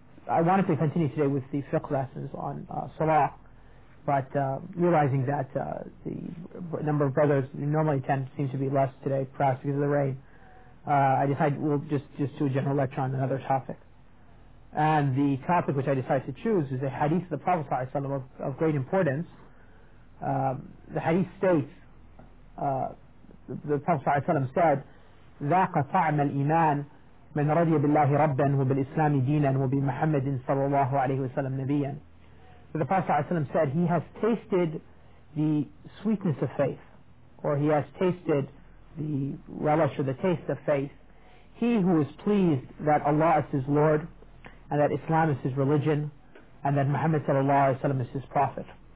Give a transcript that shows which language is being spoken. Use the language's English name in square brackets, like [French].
[English] I wanted to continue today with the fiqh lessons on salah, but realizing that the number of brothers who normally attend seems to be less today, perhaps because of the rain, I decided we'll just do a general lecture on another topic. And the topic which I decided to choose is the hadith of the Prophet Sallallahu Alaihi Wasallam of great importance. The hadith states, the Prophet Sallallahu Alaihi Wasallam said, [Arabic] ذَاقَ طَعْمَ الْإِيمَانِ مَنْ رَضِيَ بِاللَّهِ رَبًّا وَبِالْإِسْلَامِ دِينًا وَبِمُحَمَّدٍ صَلَّى اللَّهُ عَلَيْهِ وَسَلَّمَ نَبِيًّا. [English] So the Prophet Sallallahu Alaihi Wasallam said, he has tasted the sweetness of faith, or he has tasted the relish or the taste of faith, he who is pleased that Allah is his Lord, and that Islam is his religion, and that Muhammad sallallahu alaihi wasallam is his prophet.